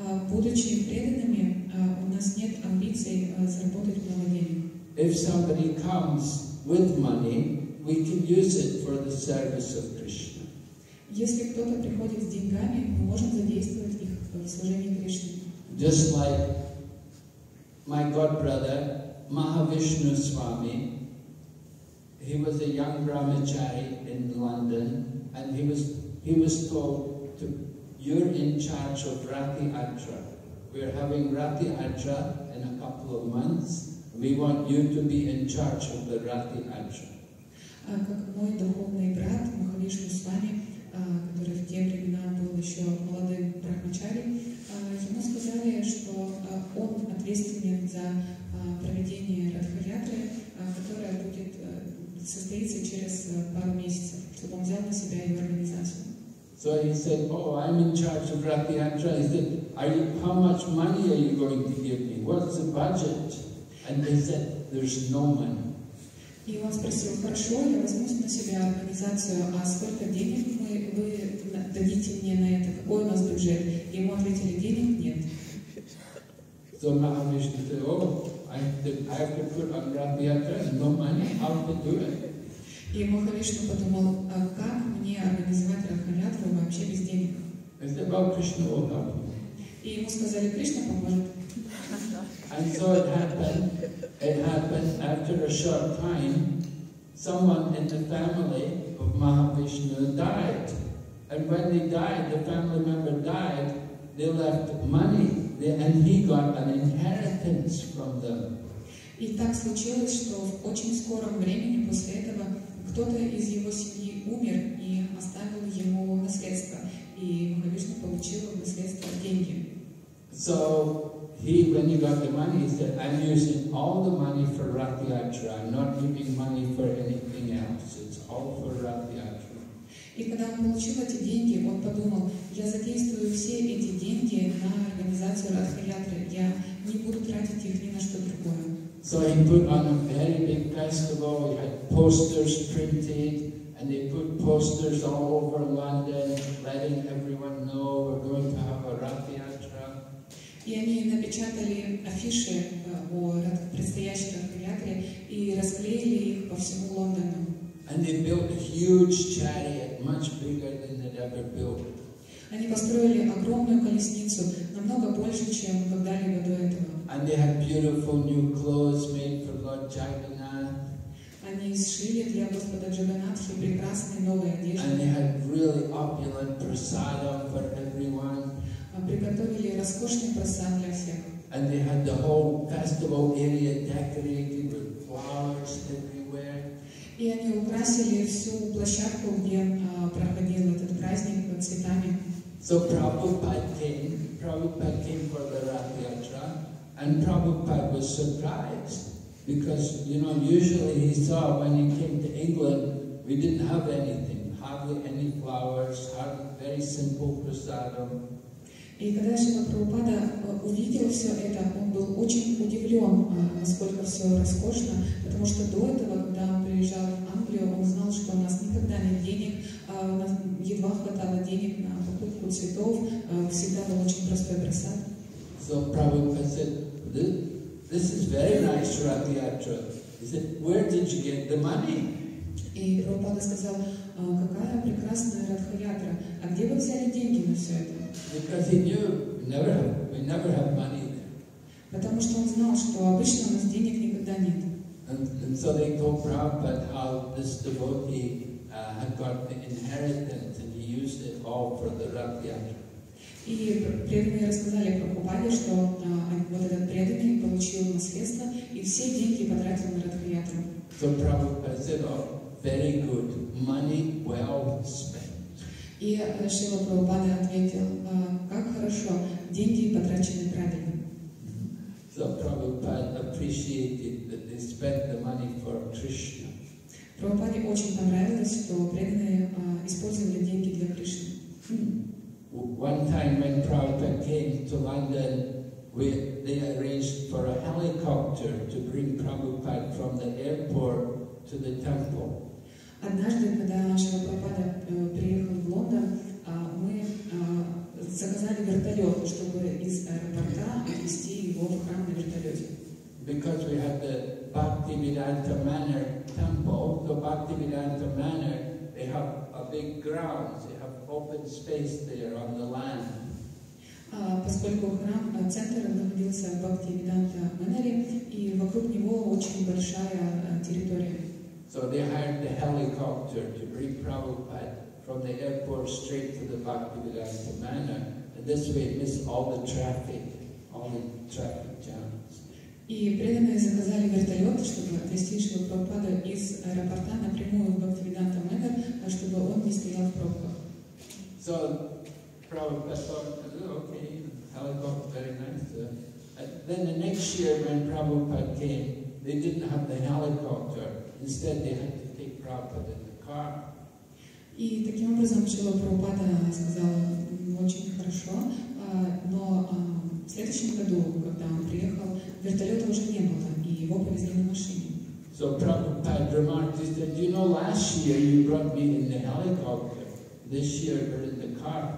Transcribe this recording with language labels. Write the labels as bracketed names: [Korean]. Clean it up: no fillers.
[Russian] Будучи преданными, у нас нет амбиций заработать много денег. [English] If somebody comes with money, we can use it for the service of Krishna. [Russian] Если кто-то приходит с деньгами, мы можем задействовать их в служении Кришне. [English] Just like my godbrother, Mahavishnu Swami, he was a young brahmachari in London, and he was told, you're in charge of Rati Atra. We're having Rati Atra in a couple of months. We want you to be in charge of the Rati Atra. [Russian] Как мой духовный брат, Махавишну Свами, который в те времена был еще молодым брахмачари, ему сказали, что он ответственен за проведение Радхаятры, которая будет состоится через пару месяцев, чтобы он взял на себя его организацию. [English] So he said, oh, I'm in charge of Rati Atra. He said, how much money are you going to give me? What's the budget? And they said, there's no money. [Russian] И он спросил, хорошо, я возьму на себя организацию, а сколько денег вы дадите мне на это? Какой у нас бюджет? Ему ответили, денег нет. [English] So Mahavishnu said, I have to put on Rati Atra, no money, how to do it? [Russian] И Махавишну подумал, а как мне организовать Радхаятру вообще без денег? [English] It's about Krishna will help. [Russian] И ему сказали, Кришна поможет. [English] And so it happened after a short time, someone in the family of Mahavishnu died. And when they died, the family member died, they left money, and he got an inheritance from them. [Russian] И так случилось, что в очень скором времени после этого кто-то из его семьи умер и оставил ему наследство, и Махавишну получил наследство в деньги. [English] So he, when he got the money, he said, I'm using all the money for Rati Atra. I'm not giving money for anything else. It's all for Rati Atra. [Russian] И когда он получил эти деньги, он подумал, я задействую все эти деньги на организацию Радхи Атры. Я не буду тратить их ни на что другое. [English] So he put on a very big festival, he had posters printed, and they put posters all over London, letting everyone know we're going to have a Rati Atra. [Russian] И они напечатали афиши о предстоящей Радхаятре и расклеили их по всему Лондону. [English] And they built a huge chariot, much bigger than they'd ever built. [Russian] Они построили огромную колесницу, намного больше, чем когда-либо до этого. [English] And they had beautiful new clothes made for Lord Jagannath. [Russian] Они сшили для Господа Джаганнатхи прекрасные новые одежды. [English] And they had really opulent prasadam for everyone. [Russian] Приготовили роскошный просад для всех. [English] And they had the whole festival area decorated with flowers everywhere. [Russian] И они украсили всю площадку, где проходил этот праздник под цветами. [English] So Prabhupada came for the Rath Yatra, and Prabhupada was surprised because, you know, usually he saw when he came to England, we didn't have anything, hardly any flowers, hardly very simple prasadam. [Russian] И когда Шрила Прабхупада увидел все это, он был очень удивлен, насколько все роскошно, потому что до этого, когда он приезжал в Англию, он знал, что у нас никогда нет денег, у нас едва хватало денег на покупку цветов, всегда был очень простой просад. [English] So Prabhupada said, this is very nice, Rath Yatra. He said, where did you get the money? [Russian] И Прабхупада сказал, какая прекрасная Ратха Ятра, а где вы взяли деньги на все это? [English] Because he knew we never have money there. [Russian] Потому что он знал, что обычно у нас денег никогда нет. [English] And so they told Prabhupada how this devotee had got the inheritance and he used it all for the Rath Yatra. [Russian] И преданные рассказали Прабхупаде, что вот этот преданный получил наследство и все деньги потратил на Ратха Ятру. [English] So Prabhupada said, oh, very good, money well spent. [Russian] И Шрила Прабхупада ответил, как хорошо, деньги потрачены правильно. [English] So Prabhupada appreciated that they spent the money for Krishna. [Russian] Прабхупаде очень понравилось, что преданные использовали деньги для Кришны. [English] One time when Prabhupada came to London, they arranged for a helicopter to bring Prabhupada from the airport to the temple. [Russian] Однажды, когда Шрила Прабхупада приехал в Лондон, мы заказали вертолет, чтобы из аэропорта отвезти его в храм на вертолете. [English] Because we had the Bhaktivedanta Manor temple, so Bhaktivedanta Manor, they have a big ground, they have open space there on the land. [Russian] Поскольку храм, центр находился в Бхактивиданта Манаре, и вокруг него очень большая территория. [English] So they hired the helicopter to bring Prabhupada from the airport straight to the Bhaktivedanta Manor, and this way it missed all the traffic jams. [Russian] И преданные заказали вертолет, чтобы отвезти Шрилу Прабхупаду из аэропорта напрямую в Бхактивиданта Манор, чтобы он не стоял в пробках. [English] So Prabhupada thought, okay, helicopter, very nice. Then the next year when Prabhupada came, they didn't have the helicopter. Instead, they had to take Prabhupada in the car. [Russian] И таким образом Шрила Прабхупада сказал очень хорошо, но в следующем году, когда он приехал, вертолета уже не было, и его повезли на машине. [English] So Prabhupada remarked, he said, you know, last year you brought me in the helicopter, this year we're in the car.